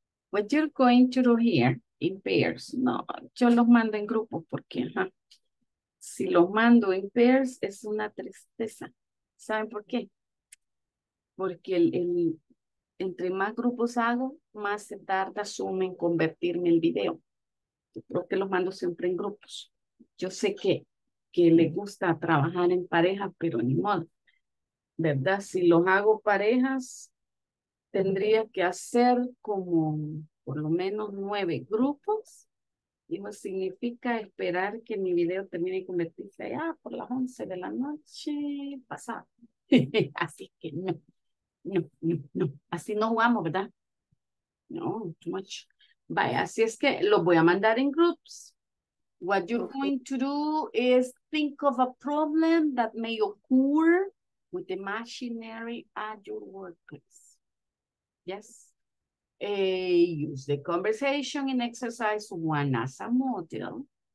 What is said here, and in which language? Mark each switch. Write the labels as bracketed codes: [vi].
[en] What you're going to do here in pairs. [es] No, yo los mando en grupo porque ajá, si los mando en pairs es una tristeza. ¿Saben por qué? Porque entre más grupos hago, más se tarda Zoom en convertirme el video. Yo creo que los mando siempre en grupos. Yo sé que le gusta trabajar en pareja, pero ni modo. ¿Verdad? Si los hago parejas, tendría que hacer como por lo menos 9 grupos. Y eso significa esperar que mi video termine y convertirse allá por las 11 de la noche pasada. Así que no. Así no jugamos, ¿verdad? No, too much. Vaya, así es que los voy a mandar en grupos. [en] What you're going to do is think of a problem that may occur with the machinery at your workplace. Yes. Use the conversation in exercise 1 as a model.